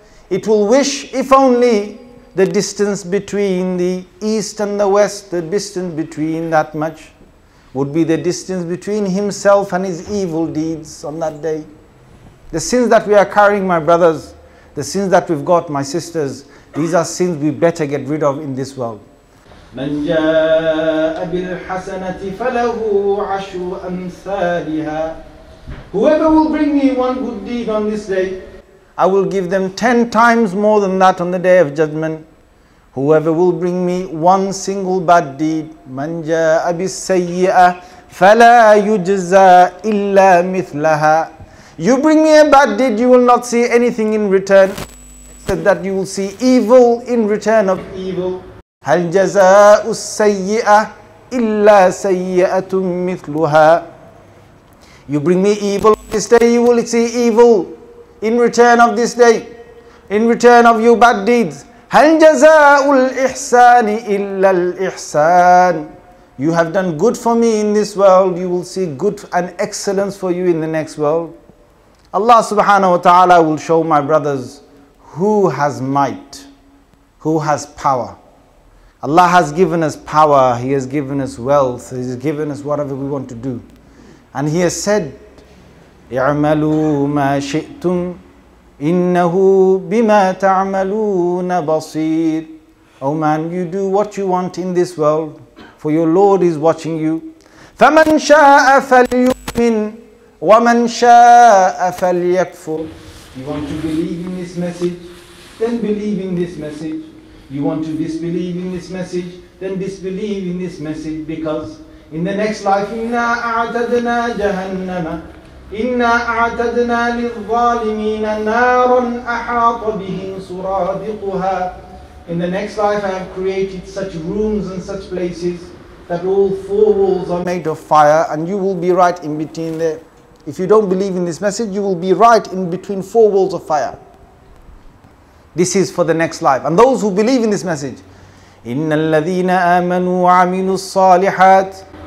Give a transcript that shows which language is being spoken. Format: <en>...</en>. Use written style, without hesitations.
<en>It will wish, if only, the distance between the east and the west, the distance between that much, would be the distance between himself and his evil deeds on that day. The sins that we are carrying, my brothers, The sins that we've got, my sisters, these are sins we better get rid of in this world.</en> <ar>من جاء بالحسنة فله عشر أمثالها.</ar> <en>Whoever will bring me one good deed on this day, I will give them 10 times more than that on the day of judgment. Whoever will bring me one single bad deed,</en> <ar>من جاء بالسيئة فلا يجزى إلا مثلها.</ar> <en>You bring me a bad deed, you will not see anything in return, except that you will see evil in return of evil.</en> <ar>هل جزاء السيئة إلا سيئة مثلها.</ar> <en>You bring me evil this day, you will see evil in return of this day, in return of your bad deeds.</en> <ar>هل جزاء الإحسان إلا الإحسان.</ar> <en>You have done good for me in this world, you will see good and excellence for you in the next world. Allah subhanahu wa ta'ala will show my brothers who has might, who has power. Allah has given us power, He has given us wealth, He has given us whatever we want to do. And He has said,</en> <ar>اعملوا ما شئتم إنه بما تعملون بصير.</ar> <en>O man, you do what you want in this world, for your Lord is watching you.</en> <ar>فمن شاء فليؤمن وَمَنْ شَاءَ فَلْيَكْفُرْ.</ar> <en>You want to believe in this message, then believe in this message. You want to disbelieve in this message, then disbelieve in this message. Because in the next life,</en> <ar>إِنَّا أَعْتَدْنَا جَهَنَّمَ إِنَّا أَعْتَدْنَا لِلظَّالِمِينَ نَارٌ أَحَاطَ بِهِمْ سُرَادِقُهَا.</ar> <en>In the next life, I have created such rooms and such places that all four walls are made of fire, and you will be right in between there. If you don't believe in this message, you will be right in between four walls of fire. This is for the next life. And those who believe in this message,</en> <ar>إِنَّ الَّذِينَ آمَنُوا وَعَمِنُوا الصَّالِحَاتِ.</ar>